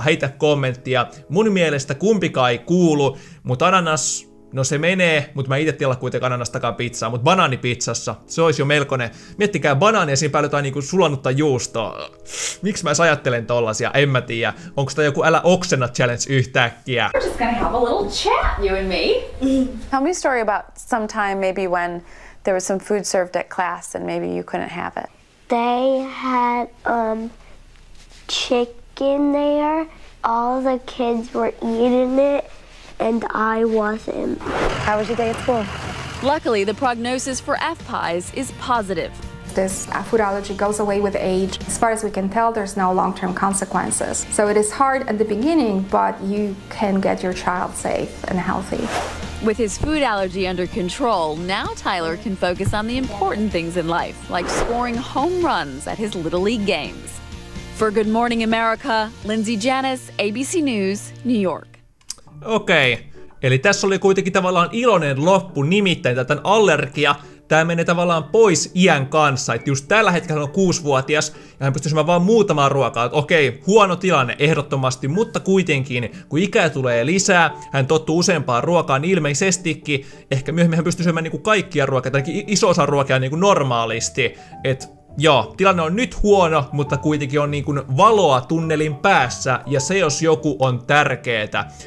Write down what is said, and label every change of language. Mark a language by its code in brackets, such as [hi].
[fi] Heitä kommenttia, mun mielestä kumpikaan ei kuulu, mutta ananas... No se menee, mutta mä itse tilaan kuitenkin ananastakaan pizzaa, mutta banaanipizzassa, se olisi jo melkoinen. Miettikää banaania, siinä päällä jotain niinku sulannutta juustoa. Miksi mä edes ajattelen tollasia, en mä tiedä. Onko tää joku älä oksena challenge yhtäkkiä? [en] We're just gonna have a little chat, you and me. Tell me a story about some time maybe when there was some food served at class and maybe you couldn't have it. They had chicken there, all the kids were eating it. And I wasn't. How was your day at school? Luckily, the prognosis for FPIES is positive. This food allergy goes away with age. As far as we can tell, there's no long-term consequences. So it is hard at the beginning, but you can get your child safe and healthy. With his food allergy under control, now Tyler can focus on the important things in life, like scoring home runs at his Little League games. For Good Morning America, Lindsay Janis, ABC News, New York. [fi] Okei, eli tässä oli kuitenkin tavallaan iloinen loppu, nimittäin tämän allergia, tämä menee tavallaan pois iän kanssa, että just tällä hetkellä hän on 6-vuotias, ja hän pystyy syömään vaan muutamaa ruokaa, että okei, huono tilanne ehdottomasti, mutta kuitenkin, kun ikää tulee lisää, hän tottuu useampaan ruokaan ilmeisestikin, ehkä myöhemmin hän pystyy syömään niinku kaikkia ruokia, tai iso osa ruokia niinku normaalisti, että joo, tilanne on nyt huono, mutta kuitenkin on niinku valoa tunnelin päässä, ja se jos joku on tärkeetä.